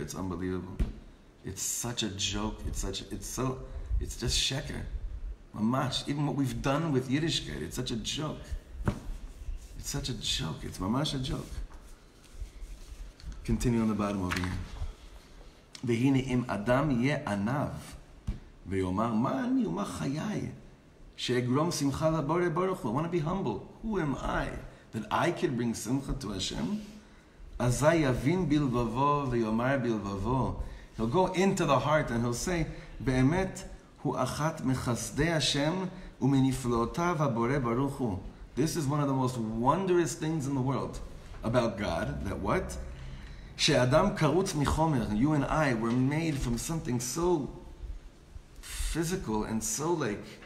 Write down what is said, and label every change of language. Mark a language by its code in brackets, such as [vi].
[en] It's unbelievable. It's such a joke. It's just sheker. Mamash. Even what we've done with Yiddishkeit, it's such a joke. It's such a joke. It's mamash a joke. Continue on the bottom over here. [he] Vehine im adam ye anav. ויאמר, מה אני ומה חיי שאגרום שמחה לבורא ברוך הוא? [en] I want to be humble. Who am I? That I can bring simcha to Hashem? [he] אזי יבין בלבבו ויאמר בלבבו. [en] He'll go into the heart and he'll say, [he] באמת הוא אחת מחסדי השם ומנפלאותיו הבורא ברוך הוא. [en] This is one of the most wondrous things in the world about God. That what? [he] שאדם קרוץ מחומר. [en] You and I were made from something so physical and so like